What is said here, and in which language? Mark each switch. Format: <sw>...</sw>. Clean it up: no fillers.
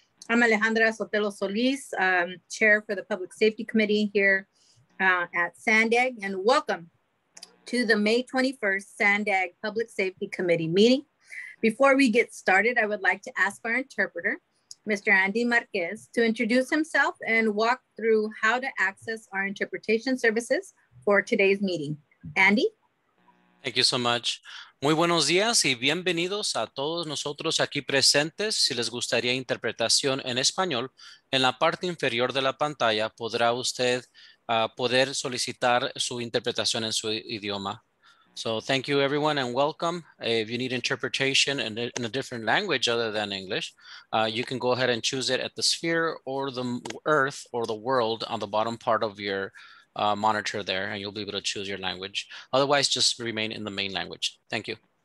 <en>I'm Alejandra Sotelo Solis, chair for the Public Safety Committee here at SANDAG, and welcome to the May 21st SANDAG Public Safety Committee meeting. Before we get started, I would like to ask our interpreter, Mr. Andy Marquez, to introduce himself and walk through how to access our interpretation services for today's meeting. Andy? Thank you so much.</en> <es>Muy buenos días y bienvenidos a todos nosotros aquí presentes. Si les gustaría interpretación en español, en la parte inferior de la pantalla podrá usted poder solicitar su interpretación en su idioma.</es> <en>So thank you everyone and welcome. If you need interpretation in a different language other than English, you can go ahead and choose it at the sphere or the earth or the world on the bottom part of your monitor there, and you'll be able to choose your language. Otherwise, just remain in the main language. Thank you.</en>